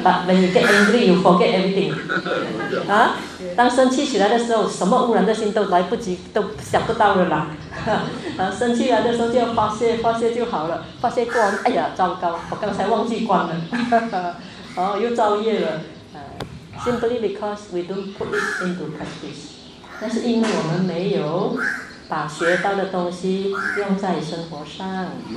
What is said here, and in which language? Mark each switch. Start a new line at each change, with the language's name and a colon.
English: But when you get angry, you forget everything.
Chinese: 啊，当生气起来的时候，什么污染的心都来不及，都想不到了啦。啊，生气来的时候就发泄，发泄就好了。发泄过完，哎呀，糟糕，我刚才忘记关了。哦，又造业了。
English: Simply because we don't put it into practice.
Chinese: 那是因为我们没有把学到的东西用在生活上。